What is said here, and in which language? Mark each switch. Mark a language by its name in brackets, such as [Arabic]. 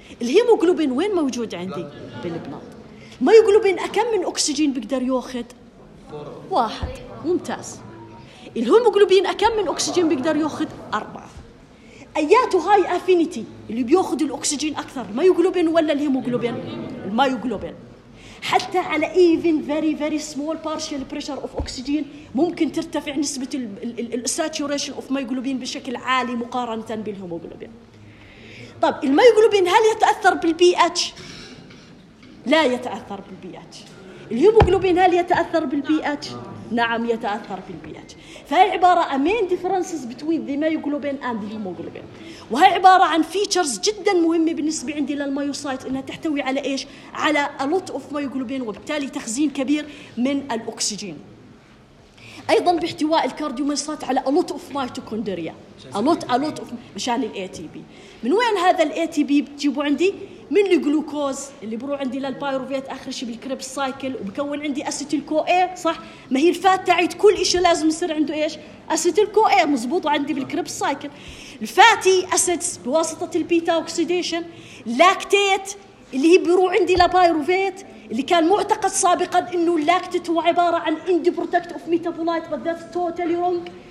[Arabic] الهيموغلوبين وين موجود عندي؟ بالبلاط. الميوغلوبين كم من أكسجين بقدر يأخذ؟ واحد. ممتاز. الهيموغلوبين كم من أكسجين بقدر يأخذ؟ أربعة. أيات هاي أفينيتي اللي بيأخذ الأكسجين أكثر، الميوغلوبين ولا الهيموغلوبين؟ الميوغلوبين. حتى على [English] even very very small partial pressure of oxygen [Arabic] ممكن ترتفع نسبة الـ [English] saturation of myoglobin [Arabic] بشكل عالي مقارنة بالهيموغلوبين. طب الميوغلوبين هل يتأثر بالبيئة؟ لا يتأثر بالبيئة. الهيموغلوبين هل يتأثر بالبيئة؟ نعم يتأثر بالبيئة. فهي عبارة عن [English] main differences between the myoglobin and the hemoglobin. [Arabic] وهي عبارة عن features جدا مهمة بالنسبة عندي للميوسايت، إنها تحتوي على إيش؟ على [English] a lot of myoglobin، [Arabic] وبالتالي تخزين كبير من الأكسجين. أيضا باحتواء الكارديوميوسايت على [English] a lot of mitochondria. A lot of [Arabic] مشان الـ [English] ATP. [Arabic] من وين هذا الـ ATP بتجيبه عندي؟ من الجلوكوز اللي برو عندي للبايروفيت آخر شيء بالكريب سايكل، وبكون عندي أسيتيل كو إيه صح؟ ما هي الفات تعيد كل إشي لازم يصير عنده إيش؟ أسيتيل كو إيه مزبوط عندي بالكريب سايكل. الفاتي أسيتس بواسطة البيتا أوكسيديشن، لاكتيت اللي هي برو عندي لبايروفيت، اللي كان معتقد سابقا إنه لاكتيت هو عبارة عن إندي بروتكت أوف ميتابولايت، [English] but that's totally wrong.